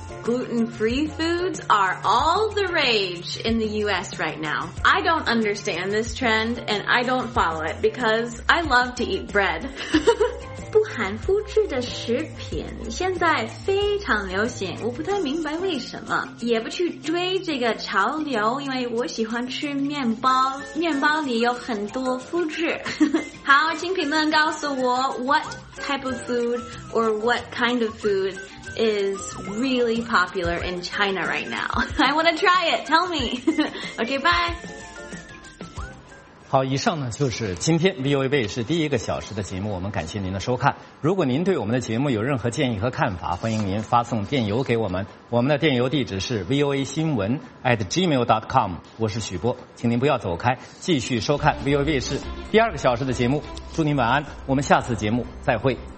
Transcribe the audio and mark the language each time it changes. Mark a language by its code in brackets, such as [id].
[en] gluten-free foods are all the rage in the U.S. right now. I don't understand this trend, and I don't follow it because I love to eat bread. [zh] 不含麸质的食品现在非常流行，我不太明白为什么，也不去追这个潮流，因为我喜欢吃面包，面包里有很多麸质。好，请评论告诉我 [en] what type of food or what kind of food is really popular in China right now. I want to try it, tell me. Okay, bye. [zh] 好，以上呢就是今天 VOA 卫视第一个小时的节目，我们感谢您的收看。如果您对我们的节目有任何建议和看法，欢迎您发送电邮给我们，我们的电邮地址是 voasinwen@gmail.com。我是许波，请您不要走开，继续收看 VOA 卫视第二个小时的节目，祝您晚安，我们下次节目再会。